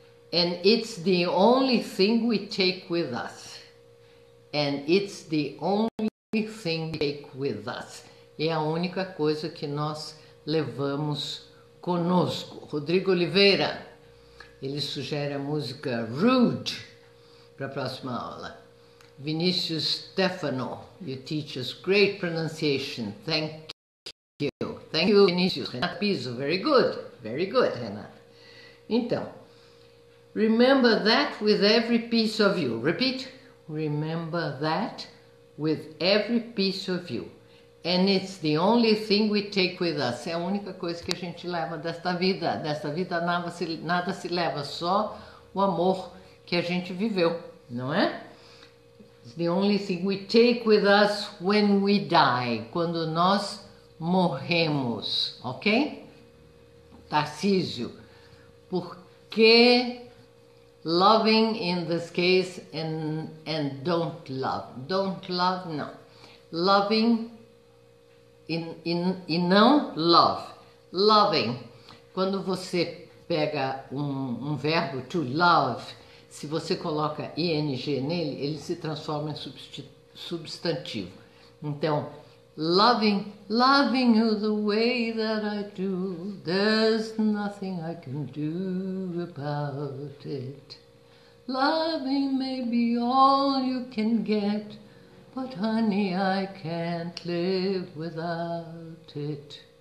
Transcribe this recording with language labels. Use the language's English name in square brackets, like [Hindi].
[English] And it's the only thing we take with us. And it's the only thing we take with us. [Portuguese] É a única coisa que nós levamos conosco. Rodrigo Oliveira, ele sugere a música Rude para a próxima aula. [English] Vinícius Stefano, you teach us great pronunciation. Thank you. Thank you, Vinícius. Renata Piso, very good. Very good, Renata. Então, remember that with every piece of you. Repeat. Remember that with every piece of you. And it's the only thing we take with us. [Portuguese] É a única coisa que a gente leva desta vida. Desta vida nada se leva, só o amor que a gente viveu, não é? [English] It's the only thing we take with us when we die. [Portuguese] Quando nós morremos, ok? [English] Tarcísio, [Portuguese] por que [English] loving in this case and don't love? Don't love, [Portuguese] não. Loving e não love. Loving, quando você pega um verbo to love, se você coloca ing nele, ele se transforma em substantivo. [English] Então, loving, loving you the way that I do, there's nothing I can do about it. Loving may be all you can get, but honey, I can't live without it.